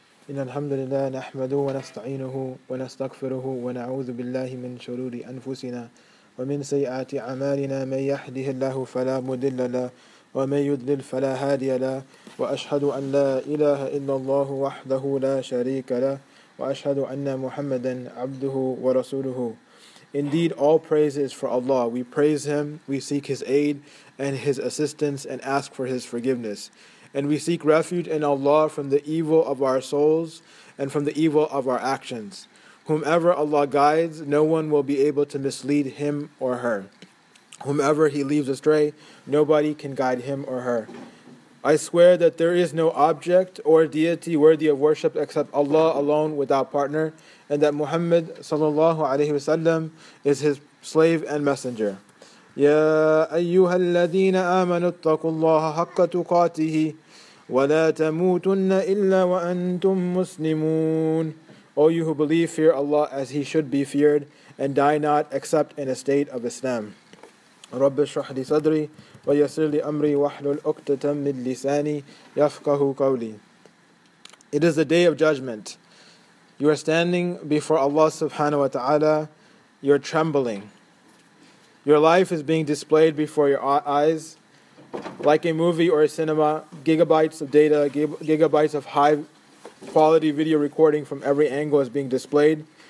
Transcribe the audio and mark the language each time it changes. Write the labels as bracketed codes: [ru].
[ar] إن الحمد لله نحمده ونستعينه ونستغفره ونعوذ بالله من شرور أنفسنا ومن سيئات أعمالنا، من يهده الله فلا مضل له ومن يضلل فلا هادي له، وأشهد أن لا إله إلا الله وحده لا شريك له، وأشهد أن محمدا عبده ورسوله. [en] Indeed, all praise is for Allah. We praise Him, we seek His aid and His assistance and ask for His forgiveness. And we seek refuge in Allah from the evil of our souls and from the evil of our actions. Whomever Allah guides, no one will be able to mislead him or her. Whomever He leaves astray, nobody can guide him or her. I swear that there is no object or deity worthy of worship except Allah alone without partner, and that Muhammad sallallahu alaihi wasallam is His slave and messenger. [ar] يا أيها الذين آمنوا اتقوا الله حق تقاته ولا تموتن إلا وأنتم مسلمون. [en] O you who believe, fear Allah as He should be feared, and die not except in a state of Islam. [ar] رب اشرح لي صدري ويسر لي أمري واحلل عقدة من لساني يفقهوا قولي. [en] It is the day of judgment. You are standing before Allah subhanahu wa ta'ala. You're trembling. Your life is being displayed before your eyes like a movie or a cinema, gigabytes of data, gigabytes of high-quality video recording from every angle is being displayed.